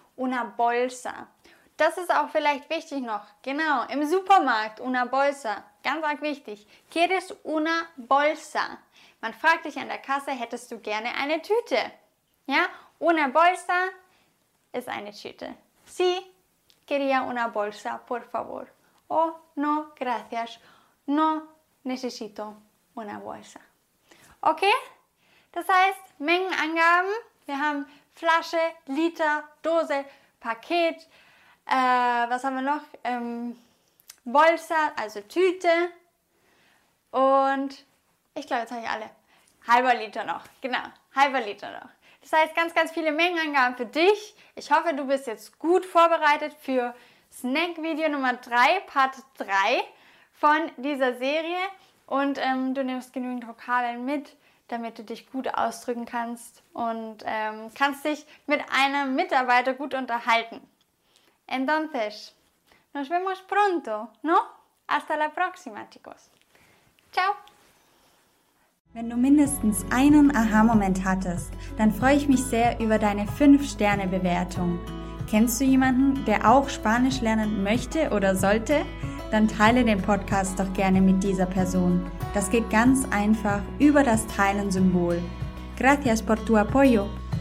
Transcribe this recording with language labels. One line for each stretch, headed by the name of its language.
Spanish: Una bolsa.
German: Das ist auch vielleicht wichtig noch, genau, im Supermarkt, una bolsa, ganz arg wichtig.
Spanish: ¿Quieres una bolsa?
German: Man fragt dich an der Kasse, hättest du gerne eine Tüte? Ja, una bolsa ist eine Tüte.
Spanish: Sí, quería una bolsa, por favor. Oh, no, gracias. No necesito una bolsa. Okay?
German: Das heißt, Mengenangaben. Wir haben Flasche, Liter, Dose, Paket. Was haben wir noch? Bolsa, also Tüte. Und ich glaube, jetzt habe ich alle. Halber Liter noch. Genau, halber Liter noch. Das heißt, ganz, ganz viele Mengenangaben für dich. Ich hoffe, du bist jetzt gut vorbereitet für Snack-Video Nummer 3, Part 3 von dieser Serie. Und du nimmst genügend Vokabeln mit, damit du dich gut ausdrücken kannst und kannst dich mit einem Mitarbeiter gut unterhalten.
Spanish: Entonces, nos vemos pronto, ¿no? Hasta la próxima, chicos. Ciao!
German: Wenn du mindestens einen Aha-Moment hattest, dann freue ich mich sehr über deine 5-Sterne-Bewertung. Kennst du jemanden, der auch Spanisch lernen möchte oder sollte? Dann teile den Podcast doch gerne mit dieser Person. Das geht ganz einfach über das Teilen-Symbol.
Spanish: Gracias por tu apoyo.